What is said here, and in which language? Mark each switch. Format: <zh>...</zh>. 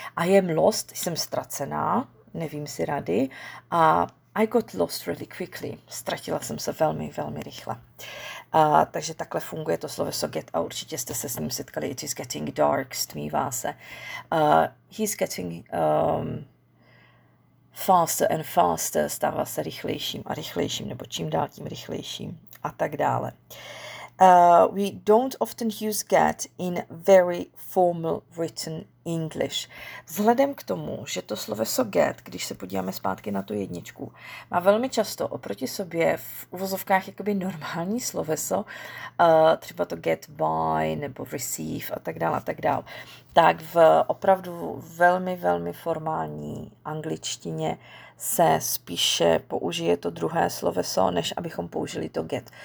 <en>I am lost,</en> <cs>jsem ztracená, nevím si rady.</cs> <en>A I got lost really quickly.</en> <cs>Ztratila jsem se velmi, velmi rychle. Takže takhle funguje to sloveso get a určitě jste se s ním setkali.</cs> <en>It is getting dark,</en> <cs>stmívá se.</cs> <en>He's getting faster and faster,</en> <cs>stává se rychlejším a rychlejším, nebo čím dál tím rychlejším a tak dále.</cs> <en>We don't often use get in very formal written English.</en> <cs>Vzhledem k tomu, že to sloveso get, když se podíváme zpátky na tu jedničku, má velmi často oproti sobě v uvozovkách jakoby normální sloveso, třeba to get by nebo receive a tak dále a tak dále, tak v opravdu velmi, velmi formální angličtině se spíše použije to druhé sloveso, než abychom použili to get.</cs>